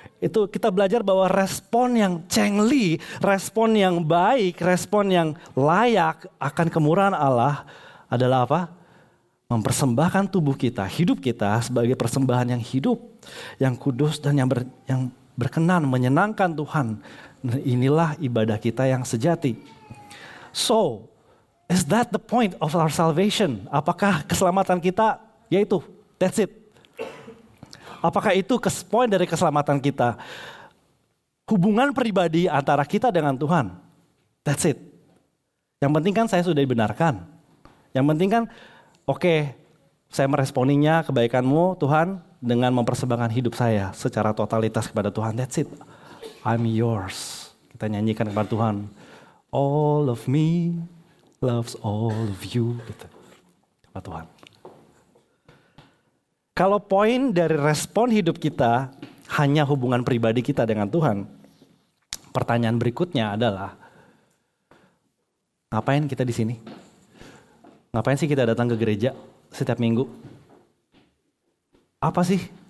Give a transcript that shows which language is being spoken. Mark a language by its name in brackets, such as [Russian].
[Indonesian] Itu kita belajar bahwa respon yang cengli, respon yang baik, respon yang layak akan kemurahan Allah adalah apa? Mempersembahkan tubuh kita, hidup kita sebagai persembahan yang hidup, yang kudus dan yang berkenan, menyenangkan Tuhan. Dan inilah ibadah kita yang sejati. [English] So, is that the point of our salvation? [Indonesian] Apakah keselamatan kita? Yaitu, [English] that's it. [Indonesian] Apakah itu poin dari keselamatan kita? Hubungan pribadi antara kita dengan Tuhan. [English] That's it. [Indonesian] Yang penting kan saya sudah dibenarkan. Yang penting kan, okay, saya meresponinya kebaikan-Mu Tuhan dengan mempersembahkan hidup saya secara totalitas kepada Tuhan. [English] That's it. I'm yours. [Indonesian] Kita nyanyikan kepada Tuhan. [English] All of me loves all of you. [Indonesian] Gitu. Kepada Tuhan. Kalau poin dari respon hidup kita hanya hubungan pribadi kita dengan Tuhan, pertanyaan berikutnya adalah, ngapain kita di sini? Ngapain sih kita datang ke gereja setiap minggu? Apa sih?